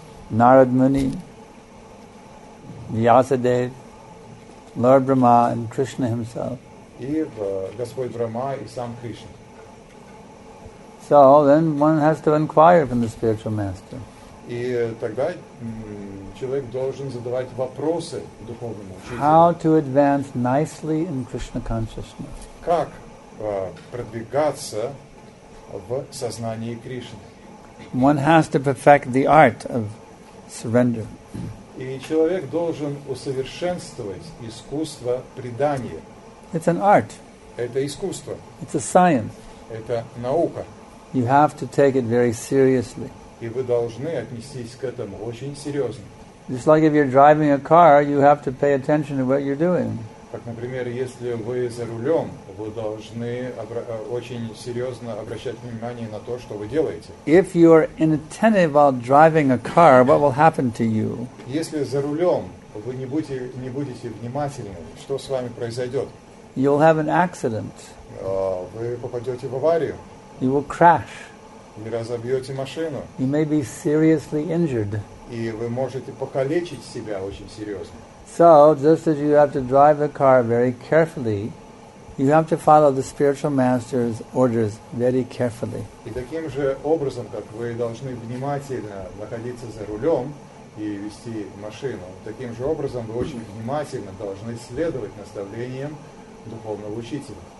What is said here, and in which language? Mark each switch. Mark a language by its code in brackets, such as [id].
[en] Narad Muni, Vyasadev, Lord Brahma and Krishna himself. [ru] И Господь Брахма и сам Кришна. [en] So then one has to inquire from the spiritual master. [ru] И тогда человек должен задавать вопросы духовному учителю. [en] How to advance nicely in Krishna consciousness? [ru] Как продвигаться в сознании Кришны? [en] One has to perfect the art of surrender. [ru] И человек должен усовершенствовать искусство предания. [en] It's an art. [ru] Это искусство. [en] It's a science. [ru] Это наука. [en] You have to take it very seriously. [ru] И вы должны отнестись к этому очень серьезно. [en] Just like if you're driving a car, you have to pay attention to what you're doing. [ru] Как, например, если вы за рулем, вы должны очень серьезно обращать внимание на то, что вы делаете. [en] If you are inattentive while driving a car, what will happen to you? [ru] Если за рулем вы не будете внимательны, что с вами произойдет? [en] You'll have an accident. [ru] Вы попадете в аварию. [en] You will crash. [ru] Вы разобьете машину. [en] You may be seriously injured. [ru] И вы можете покалечить себя очень серьезно. [en] So, just as you have to drive the car very carefully, you have to follow the spiritual master's orders very carefully. [ru] И таким же образом, как вы должны внимательно находиться за рулем и вести машину, таким же образом вы очень внимательно должны следовать наставлениям духовного учителя.